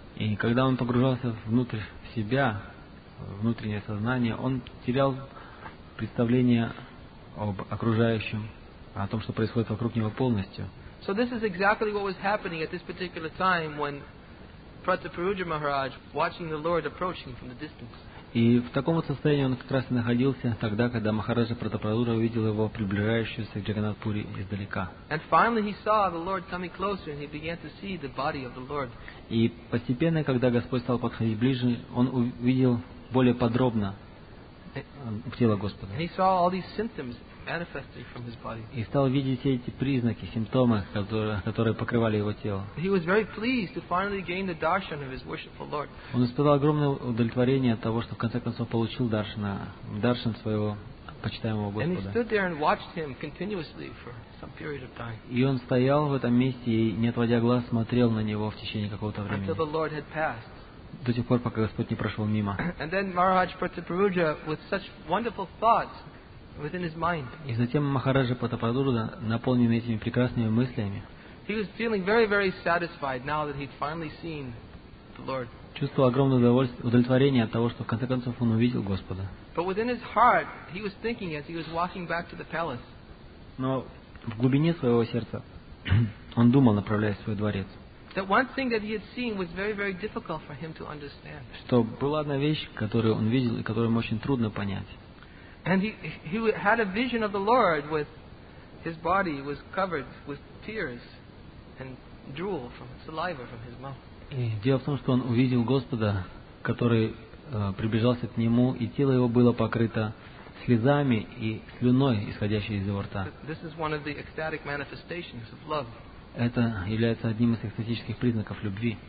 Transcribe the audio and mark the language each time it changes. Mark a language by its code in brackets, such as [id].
[ru] И когда он погружался внутрь себя, внутреннее сознание, он терял представление об окружающем, о том, что происходит вокруг него полностью. [en] So this is exactly what was happening at this particular time when Prataparudra Maharaj watching the Lord approaching from the distance. [ru] И в таком вот состоянии он как раз и находился тогда, когда Махараджа Пратапарудра увидел его приближающегося к Джаганатпури издалека. [en] And finally he saw the Lord coming closer and he began to see the body of the Lord. [ru] И постепенно, когда Господь стал подходить ближе, он увидел более подробно тело Господа. [en] And he saw all these symptoms manifesting from his body. [ru] И стал видеть все эти признаки, симптомы, которые покрывали его тело. [en] He was very pleased to finally gain the darshan of his worshipful Lord. [ru] Он испытал огромное удовлетворение от того, что в конце концов получил даршан своего почитаемого Господа. [en] And he stood there and watched him continuously for some period of time. [ru] И он стоял в этом месте и, не отводя глаз, смотрел на него в течение какого-то времени. [en] Until the Lord had passed. [ru] До тех пор, пока Господь не прошел мимо. [en] And then Maharaj Prataparudra, with such wonderful thoughts within his mind. [ru] И затем Махараджа Пратапарудра, наполненный этими прекрасными мыслями, [en] he was feeling very, very satisfied now that he'd finally seen the Lord. [ru] Чувствовал огромное удовлетворение от того, что в конце концов он увидел Господа. [en] But within his heart, he was thinking as he was walking back to the palace. [ru] Но в глубине своего сердца он думал, направляясь в свой дворец. [en] That one thing that he had seen was very, very difficult for him to understand. [ru] Что была одна вещь, которую он видел и которую ему очень трудно понять. [en] And he had a vision of the Lord with his body was covered with tears and drool from saliva from his mouth. [ru] И дело в том, что он увидел Господа, который приближался к нему, и тело его было покрыто слезами и слюной, исходящей из его рта. [en] This is one of the ecstatic manifestations of love. [ru] Это является одним из экстатических признаков любви.